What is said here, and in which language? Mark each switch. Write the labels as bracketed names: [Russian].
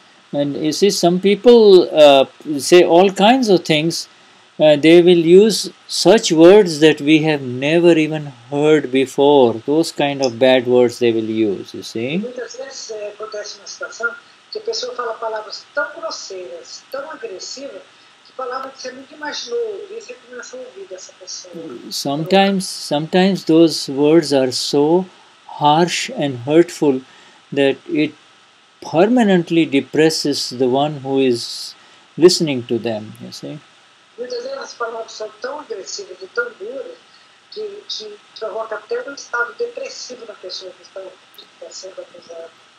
[English] And you see, some people say all kinds of things. They will use such words that we have never even heard before. Those kind of bad words they will use, you see. [Portuguese] Muitas vezes acontece uma situação que a pessoa fala palavras tão grosseiras, tão agressivas, que palavras que você nunca imaginou ouvir, você começa a ouvir dessa pessoa. [English] Sometimes those words are so harsh and hurtful that it permanently depresses the one who is listening to them, you see. [Portuguese] Muitas vezes as palavras são tão agressivas e tão duras que provoca até um estado depressivo na pessoa que está sendo acusada.